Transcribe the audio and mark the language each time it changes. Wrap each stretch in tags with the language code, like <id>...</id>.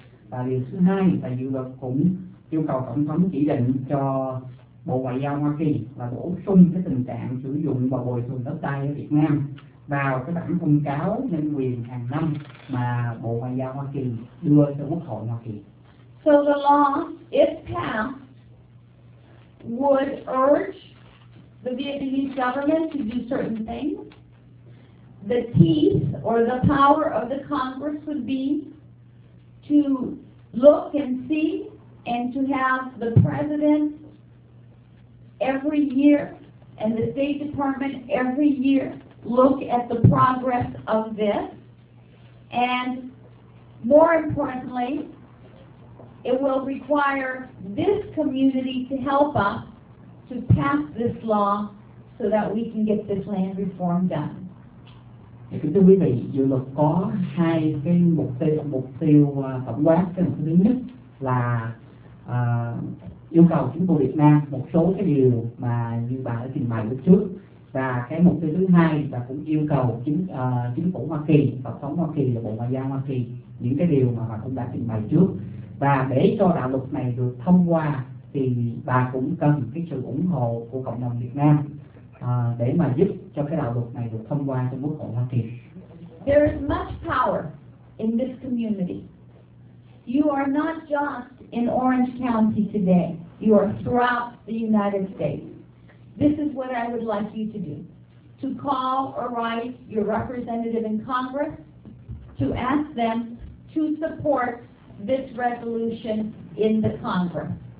<vi>Và điều thứ hai là dự luật cũng yêu cầu tổng thống chỉ định cho Bộ Ngoại giao Hoa Kỳ là bổ sung cái tình trạng sử dụng và bồi thường đất đai ở Việt Nam vào cái bản thông cáo nhân quyền hàng năm mà Bộ Ngoại giao Hoa Kỳ đưa cho Quốc hội Hoa Kỳ.</vi> <en>So the law, if passed, would urge the Vietnamese government to do certain things. The teeth or the power of the Congress would be to look and see and to have the president every year and the State Department every year look at the progress of this. And more importantly, it will require this community to help us to pass this law so that we can get this land reform done.</en> <vi>Thì kính thưa quý vị, dự luật có hai cái mục tiêu tổng quát. Cái mục tiêu thứ nhất là yêu cầu chính phủ Việt Nam một số cái điều mà như bà đã trình bày lúc trước. Và cái mục tiêu thứ hai là cũng yêu cầu chính phủ Hoa Kỳ, tổng thống Hoa Kỳ và Bộ Ngoại giao Hoa Kỳ những cái điều mà bà cũng đã trình bày trước. Và để cho đạo luật này được thông qua thì bà cũng cần cái sự ủng hộ của cộng đồng Việt Nam để mà giúp cho cái đạo luật này được thông qua trong Quốc hội Hoa Kỳ.</vi> <en>There is much power in this community. You are not just in Orange County today. You are throughout the United States. This is what I would like you to do. To call or write your representative in Congress to ask them to support this resolution in the Congress.</en>